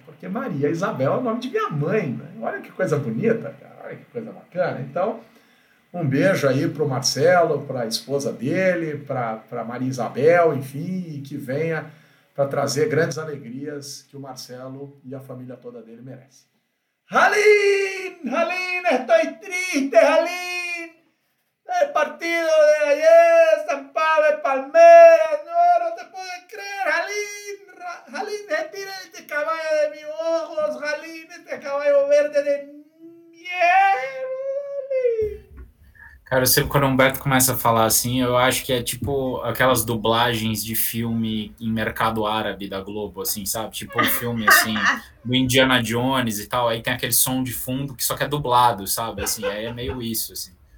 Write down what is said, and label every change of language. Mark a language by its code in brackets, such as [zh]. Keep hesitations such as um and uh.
[pt] Porque Maria Isabel é o nome de minha mãe, né? Olha que coisa bonita, cara, olha que coisa bacana. Então, um beijo aí pro Marcelo, pra esposa dele, pra, pra Maria Isabel, enfim, e que venha para trazer grandes alegrias que o Marcelo e a família toda dele merece. [es] Jalín, Jalín, estoy triste, Jalín. El partido de ayer, San Pablo, Palmeiras, no, no te puedo creer, Jalín. Ra- Jalín, retira este caballo de mis ojos, Jalín, este caballo verde de mierda. [pt] Cara, sempre quando o Humberto começa a falar assim, eu acho que é tipo aquelas dublagens de filme em mercado árabe da Globo, assim, sabe? Tipo um filme assim, do Indiana Jones e tal, aí tem aquele som de fundo que só que é dublado, sabe? Assim, aí é meio isso, assim.